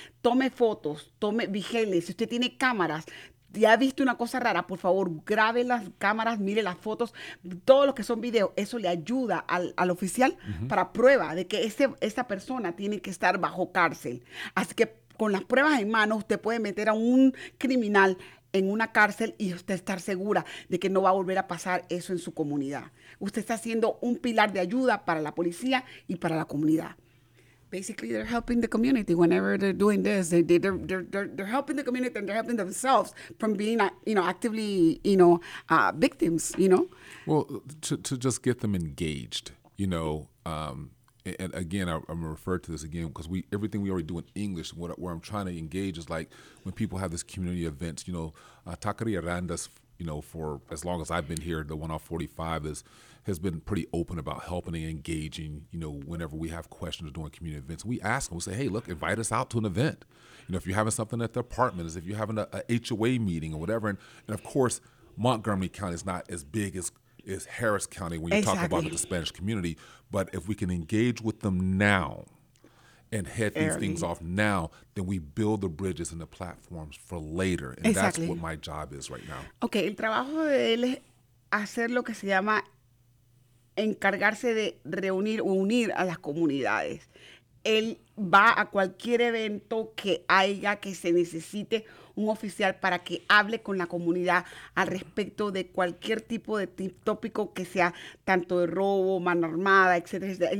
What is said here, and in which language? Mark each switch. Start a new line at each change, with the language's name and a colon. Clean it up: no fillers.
Spanish: Tome fotos, tome, vigile, si usted tiene cámaras, ya ha visto una cosa rara, por favor, grabe las cámaras, mire las fotos, todo lo que son videos, eso le ayuda al oficial para prueba de que esa persona tiene que estar bajo cárcel. Así que con las pruebas en mano, usted puede meter a un criminal en una cárcel y usted estar segura de que no va a volver a pasar eso en su comunidad. Usted está siendo un pilar de ayuda para la policía y para la comunidad.
English: Basically, they're helping the community whenever they're doing this. They're helping the community and they're helping themselves from being, you know, actively, you know, victims, you know? Well, to just get them engaged, you know, and again, I'm going to refer to this again because everything we already do in English, where I'm trying to engage is like when people have this community events, you know, Taqueria Randa's, you know, for as long as I've been here, the one off 45 has been pretty open about helping and engaging, you know, whenever we have questions during community events. We ask them, we say, hey, look, invite us out to an event. You know, if you're having something at the apartment, if you're having a HOA meeting or whatever. And of course, Montgomery County is not as big as Harris County when you talk about the Spanish community. But if we can engage with them now and head these things off now, then we build the bridges and the platforms for later. And that's what my job is right now.
Spanish: Okay, el trabajo de él es hacer lo que se llama encargarse de reunir o unir a las comunidades. Él va a cualquier evento que haya, que se necesite un oficial para que hable con la comunidad al respecto de cualquier tipo de tópico que sea tanto de robo, mano armada, etcétera.